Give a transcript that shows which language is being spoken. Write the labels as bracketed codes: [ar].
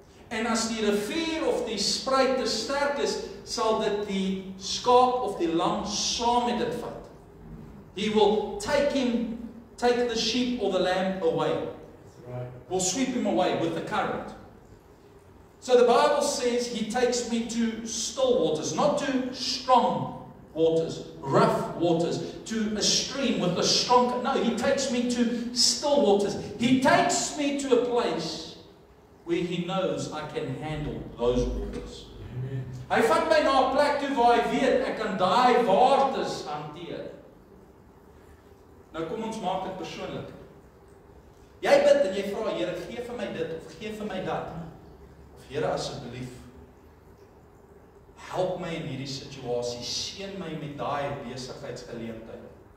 [af] En as die rivier of die spruit te sterk is, sal dit die skaap of die lam saam met dit vat. [en] He will take the sheep or the lamb away. Right. Will sweep him away with the current. So the Bible says, he takes me to still waters, not to strong waters, rough waters, to a stream with a strong, no, he takes me to still waters. He takes me to a place where he knows I can handle those waters. Amen. [af] Hy vat my na 'n plek toe waar hy weet ek kan daai waters hanteer. Nou kom ons maak dit persoonlik. Jy bid en jy vra, Here, gee vir my dit of gee vir my dat. Of Here, asseblief, help my in hierdie situasie, seën my met daai besigheidsgeleentheid.